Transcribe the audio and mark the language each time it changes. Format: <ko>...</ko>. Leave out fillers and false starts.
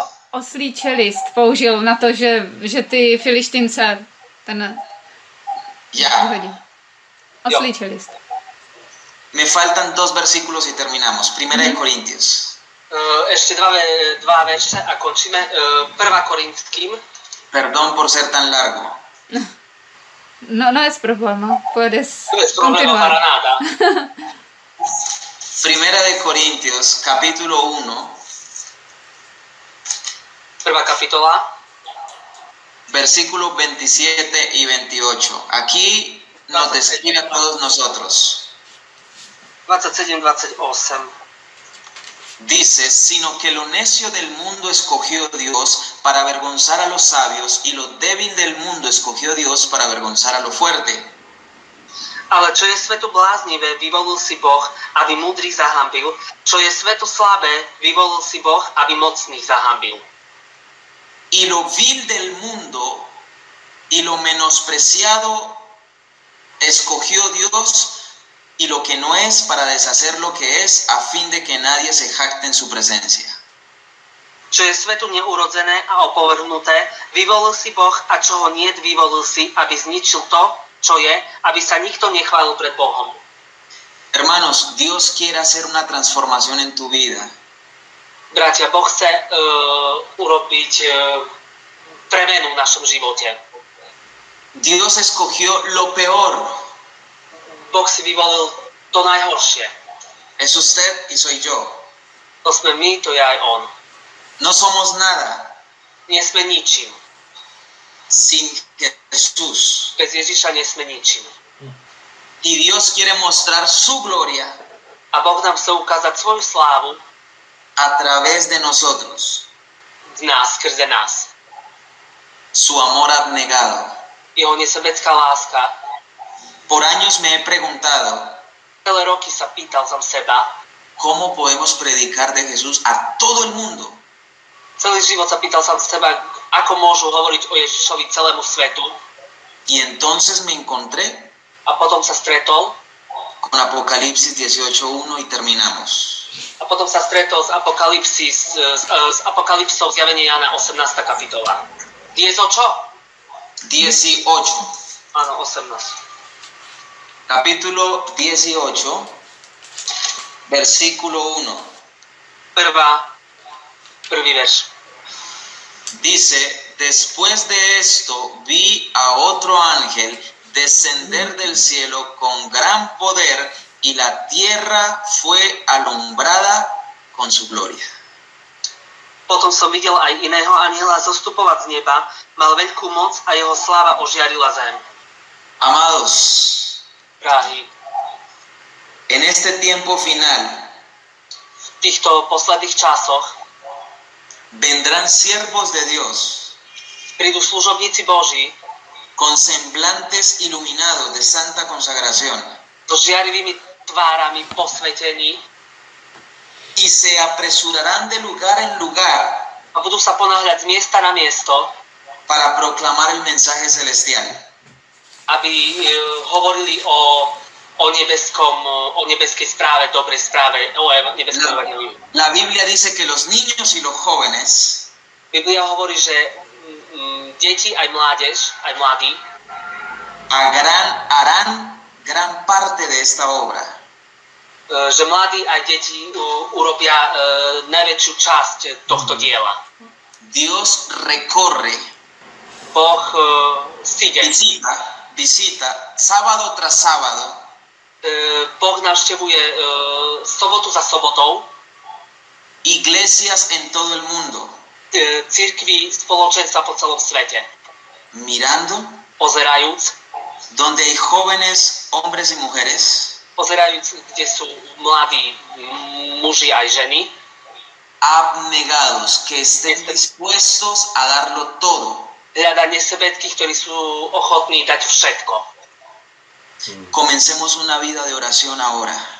<sk>Oslí čelist použil na to, že ty filištince ten...</sk> <es>Ya.</es> <sk>Oslí čelist.</sk> <es>Me faltan dos versículos y terminamos. Primera de Corintios.</es> <sk>Ešte dva verše a končíme. Prvá Korintským.</sk> <es>Perdón por ser tan largo. No es problema. Puedes continuar. Primera de Corintios, capítulo 1.</es> <sk>Prvá kapitola.</sk> <es>Versículo 27 y 28. Aquí nos describe a todos nosotros. 27-28. Dice, sino que lo necio del mundo escogió Dios para avergonzar a los sabios y lo débil del mundo escogió Dios para avergonzar a lo fuerte.</es> <sk>Ale čo je svetu bláznivé, vyvolil si Boh, aby múdrych zahambil. Čo je svetu slabé, vyvolil si Boh, aby mocných zahambil.</sk> <es>Y lo vil del mundo y lo menospreciado escogió Dios y lo que no es para deshacer lo que es a fin de que nadie se jacte en su presencia.</es> <sk>Čo je svetu neurodzené a opovrhnuté, vyvolil si Boh a čoho niet, vyvolil si, aby zničil to, čo je, aby sa nikto nechválil pred Bohom.</sk> <es>Hermanos, Dios quiere hacer una transformación en tu vida.</es> <sk>Bratia, Boh chce urobiť premenu v našom živote.</sk> <es>Dios escogió lo peor.</es> <sk>Boh si vyvolil to najhoršie.</sk> <es>Es usted y soy yo.</es> <sk>To sme my, to je aj on.</sk> <es>No somos nada.</es> <sk>Nie sme ničím.</sk> <es>Sin Jesús.</es> <sk>Bez Ježiša nie sme ničím.</sk> <es>Y Dios quiere mostrar su gloria.</es> <sk>A Boh nám chce ukázať svoju slávu.</sk> <es>A través de nosotros.</es> <sk>Z nás, skrze nás.</sk> <es>Su amor abnegado.</es> <sk>Jeho nesebecká láska.</sk> <es>Por años me he preguntado.</es> <sk>Celé roky sa pýtal sam seba.</sk> <es>¿Cómo podemos predicar de Jesús a todo el mundo?</es> <sk>Celý život sa pýtal sám seba, ako môžu hovoriť o Ježišovi celému svetu.</sk> <es>Y entonces me encontré.</es> <sk>A potom sa stretol.</sk> <es>Con Apocalipsis 18:1 y terminamos.</es> <sk>A potom sa stretol s Apokalipsis, s Apokalipsou zjavenie Jana 18. kapitola. 18. Áno, 18.</sk> <es>Capítulo 18, versículo 1.</es> <sk>Prvý verš.</sk> <es>Dice, después de esto vi a otro ángel descender del cielo con gran poder y la tierra fue alumbrada con su gloria.</es> <sk>Potom som videl aj iného anjela zostupovať z neba, mal veľkú moc a jeho sláva ožiarila zem.</sk> <es>Amados,</es> <sk>drahí,</sk> <es>en este tiempo final,</es> <sk>v týchto posledných časoch,</sk> <es>vendrán siervos de Dios,</es> <sk>prídu služobníci Boží,</sk> <es>con semblantes iluminados de santa consagración,</es> <sk>so žiarivými tvárami posvetení,</sk> <es>y se apresurarán de lugar en lugar,</es> <sk>a budú sa ponáhľať z miesta na miesto,</sk> <es>para proclamar el mensaje celestial,</es> <sk>aby hovorili o nebeskej správe, dobrej správe, o nebeskej evangeliu.</sk> <es>La Biblia dice que los niños y los jóvenes,</es> <sk>Biblia hovorí, že deti aj mládež, aj mladí,</sk> <es>harán gran parte de esta obra.</es> <sk>Že mladí aj deti urobia najväčšiu časť tohto diela.</sk> <es>Dios recorre.</es> <sk>Boh</sk> <es>sigue. Visita sábado tras sábado.</es> <sk>Boh navštevuje sobotu za sobotou.</sk> <es>Iglesias en todo el mundo.</es> <sk>Cirkvi, spoločenstva po celom svete.</sk> <es>Mirando.</es> <sk>Pozerajúc.</sk> <es>Donde hay jóvenes, hombres y mujeres.</es> <sk>Pozerajúc, kde sú mladí muži aj ženy.</sk> <es>Abnegados, que estén dispuestos a darlo todo.</es> <sk>Hľada nesvedky, ktorí sú ochotní dať všetko.</sk> <es>Comencemos una vida de oración ahora.</es>